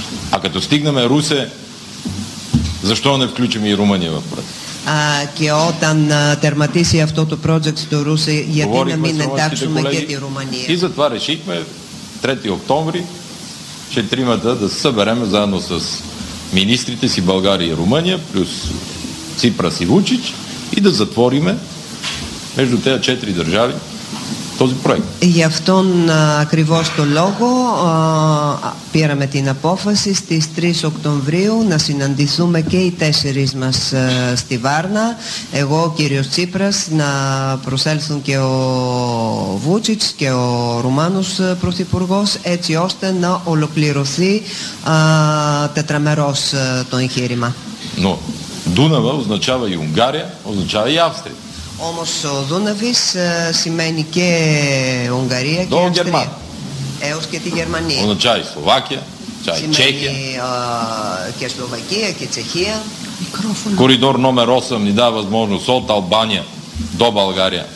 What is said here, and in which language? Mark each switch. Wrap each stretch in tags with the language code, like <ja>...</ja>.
<bg>Α, като стигнаме Русе, защо не включим и Румъния в проекта?</bg> <el>Και όταν τερματίσει αυτό το project στο Ρούσε, γιατί να μην εντάξουμε και τη Ρουμανία.</el> <bg>И затова решихме 3 октомври, ще тримата да съберем заедно с министрите си България и Румъния, плюс Ципрас и Вучич, и да затвориме между тези 4 държави този проект.</bg> <el>Γι' αυτόν ακριβώς το λόγο πήραμε την απόφαση στις 3 Οκτωβρίου να συναντηθούμε και οι 4 μας στη Βάρνα. Εγώ, ο κύριος Τσίπρας, να προσέλθουν και ο Βούτσιτς και ο Ρουμάνος Πρωθυπουργός, έτσι ώστε να ολοκληρωθεί τετραμερός το εγχείρημα.</el> <bg>Но Дунава означава и Унгария, означава и Австрия.</bg> <el>Όμως ο Δούναβης σημαίνει και Ουγγαρία και Αυστρία. Έως και τη Γερμανία.</el> <bg>Οначай Σλοβάκια, чай Чехия.</bg> <el>Και Σλοβακία και Τσεχία.</el> <bg>Коридор номер 8 ни дава възможност от Албания до България.</bg>